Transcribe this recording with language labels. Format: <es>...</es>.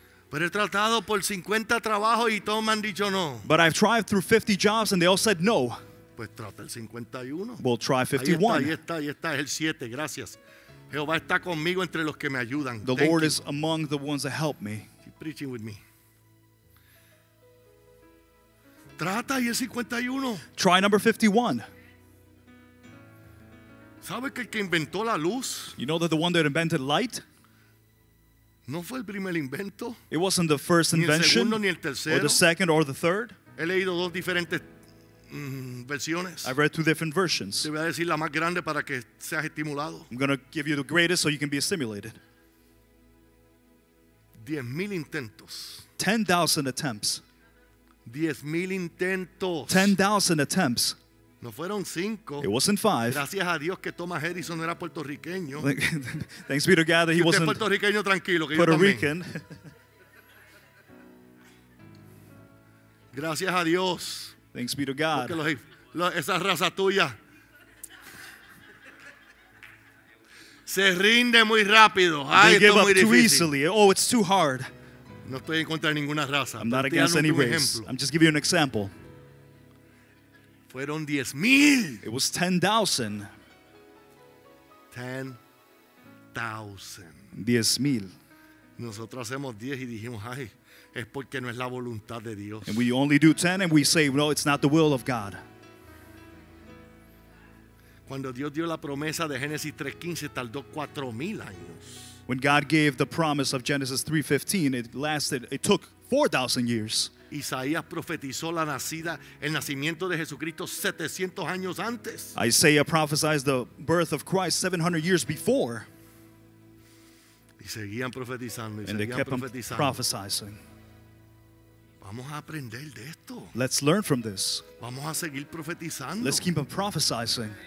<es>Pero he tratado por 50 trabajos y todos me han dicho no.</es> <en>But I've tried through 50 jobs and they all said no.</en> <es>Pues trata el 51.</es> <en>We'll try 51.</en> <es>Ahí está, es el 7, gracias. Jehová está conmigo entre los que me ayudan.</es> <en>The Lord is among the ones that help me. Keep preaching with me.</en> <es>Trata y el 51.</es> <en>Try number 51.</en> <es>¿Sabe que el que inventó la luz?</es> <en>You know that the one that invented light?</en> <es>No fue el primer invento.</es> <en>It wasn't the first invention.</en> <es>Ni el segundo ni el tercero.</es> <en>Or the second or the third.</en> <es>He leído dos diferentes versiones.</es> <en>I've read two different versions.</en> <es>Te voy a decir la más grande para que seas estimulado.</es> <en>I'm going to give you the greatest so you can be stimulated.</en> <es>10,000 intentos.</es> <en>10,000 attempts.</en> <es>10,000 intentos.</es> <en>10,000 attempts.</en> <es>No fueron cinco.</es> <en>It wasn't five.</en> <es>Gracias a Dios que Thomas Edison era puertorriqueño.</es> <en>Thanks be to God that he wasn't</en> <es>puertorriqueño, tranquilo, que</es> <en>Puerto Rican.</en> <es>Gracias a Dios.</es> <en>Thanks be to God.</en> <es>Esa raza tuya se rinde muy rápido.</es> <en>They give up too easily. Oh, it's too hard.</en> <es>No estoy en contra de ninguna raza.</es> <en>I'm not against any race. I'm just giving you an example.</en> <es>Fueron 10,000.</es> <en>It was 10,000.</en> <es>10,000.</es> <en>10,000.</en> <es>Nosotros hacemos 10 y dijimos, ay, es porque no es la voluntad de Dios.</es> <en>And we only do 10 and we say, no, it's not the will of God.</en> <es>Cuando Dios dio la promesa de Génesis 3:15, tardó 4,000 años.</es> <en>When God gave the promise of Genesis 3:15, it took 4,000 years.</en> <es>Isaías profetizó la nacida, el nacimiento de Jesucristo 700 años antes.</es> <en>Isaiah prophesied the birth of Christ 700 years before.</en> <es>Y seguían profetizando,</es> <en>and they kept on prophesizing.</en> <es>Vamos a aprender de esto.</es> <en>Let's learn from this.</en> <es>Vamos a seguir profetizando.</es> <en>Let's keep on prophesizing.</en>